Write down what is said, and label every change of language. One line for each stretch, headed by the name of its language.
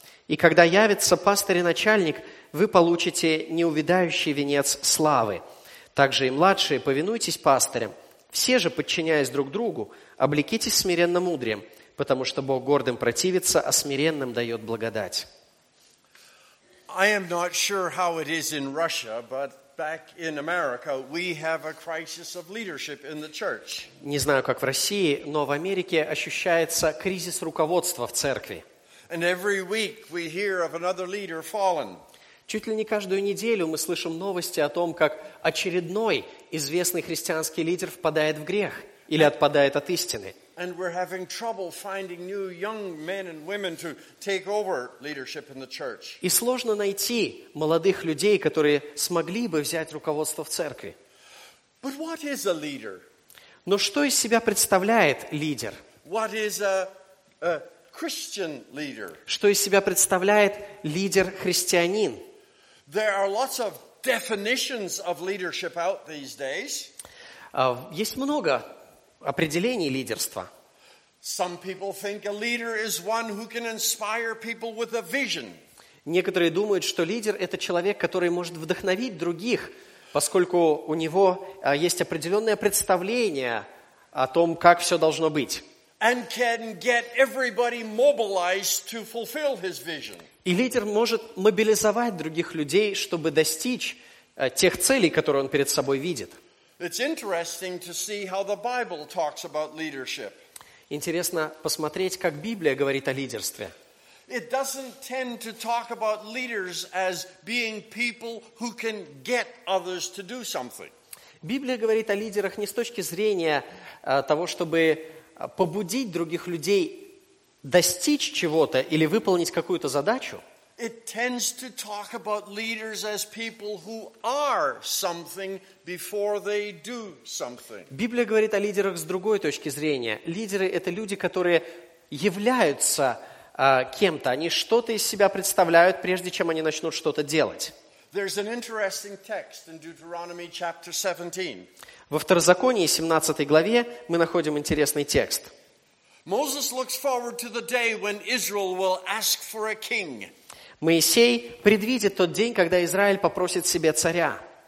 Russian: И когда явится пастырь и начальник, вы получите неувядающий венец славы. Также и младшие, повинуйтесь пастырям. Все же, подчиняясь друг другу, облекитесь смиренно мудрием, потому что Бог гордым противится, а смиренным дает благодать».
English: I am not sure how it is in Russia, but back in America we have a crisis of leadership in the church.
Russian: Не знаю, как в России, но в Америке ощущается кризис руководства в церкви.
English: And every week we hear of another leader fallen.
Russian: Чуть ли не каждую неделю мы слышим новости о том, как очередной известный христианский лидер впадает в грех или отпадает от истины.
English: And we're having trouble finding new young men and women to take over leadership in the church.
Russian: И сложно найти молодых людей, которые смогли бы взять руководство в церкви.
English: But what is a leader?
Russian: Но что из себя представляет лидер?
English: What is a Christian leader?
Russian: Что из себя представляет лидер-христианин?
English: There are lots of definitions of leadership out these days.
Russian: Есть много определение лидерства.
English: Some people think a leader is one who can inspire people with a vision.
Russian: Некоторые думают, что лидер это человек, который может вдохновить других, поскольку у него есть определенное представление о том, как все должно быть.
English: And can get everybody mobilized to fulfill his vision.
Russian: И лидер может мобилизовать других людей, чтобы достичь тех целей, которые он перед собой видит.
English: It's interesting to see how the Bible talks about leadership.
Russian: Интересно посмотреть, как Библия говорит о лидерстве.
English: It doesn't tend to talk about leaders as being people who can get others to do something.
Russian: Библия говорит о лидерах не с точки зрения того, чтобы побудить других людей достичь чего-то или выполнить какую-то задачу.
English: It tends to talk about leaders as people who are something before they do something.
Russian: Библия говорит о лидерах с другой точки зрения. Лидеры — это люди, которые являются кем-то. Они что-то из себя представляют, прежде чем они начнут что-то делать.
English: There's an interesting text in Deuteronomy chapter 17.
Russian: Во Второзаконии, 17 главе, мы находим интересный текст.
English: Moses looks forward to the day when Israel will ask for a king.
Russian: Моисей предвидит тот день, когда Израиль попросит себе царя.